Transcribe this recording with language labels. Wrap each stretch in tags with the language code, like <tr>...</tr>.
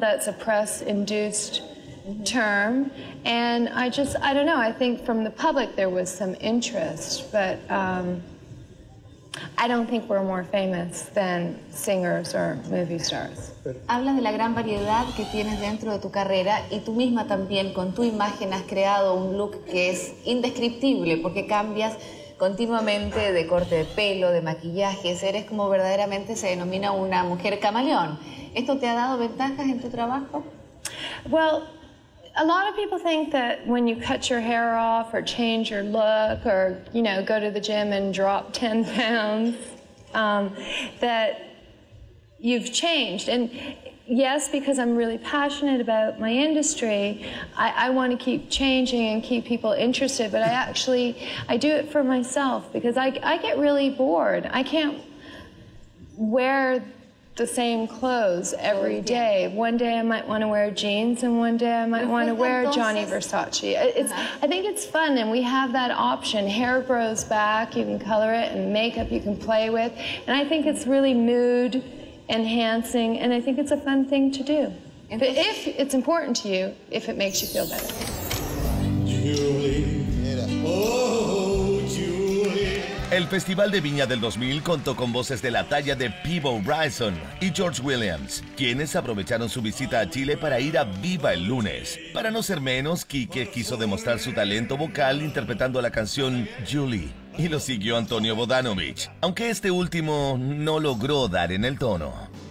<en>That's a press-induced term. And I don't know. I think from the public there was some interest, but I don't think we're more famous than singers or movie stars.</en> <es>Hablas de la gran variedad que tienes dentro de tu carrera y tú misma también con tu imagen has creado un look que es indescriptible porque cambias continuamente de corte de pelo, de maquillaje, eres como verdaderamente se denomina una mujer camaleón. ¿Esto te ha dado ventajas en tu trabajo?</es> <en>Well, a lot of people think that when you cut your hair off or change your look or, you know, go to the gym and drop 10 pounds, that you've changed. And yes, because I'm really passionate about my industry, I want to keep changing and keep people interested. But I do it for myself because I get really bored. I can't wear the same clothes every day. One day I might want to wear jeans and one day I might want to wear Johnny Versace. I think it's fun and we have that option. Hair grows back, you can color it, and makeup you can play with. And I think it's really mood enhancing and I think it's a fun thing to do. But if it's important to you, if it makes you feel better.</en> <es>El Festival de Viña del 2000 contó con voces de la talla de Peebo Bryson y George Williams, quienes aprovecharon su visita a Chile para ir a Viva el lunes. Para no ser menos, Quique quiso demostrar su talento vocal interpretando la canción Julie, y lo siguió Antonio Bodanovich, aunque este último no logró dar en el tono.</es>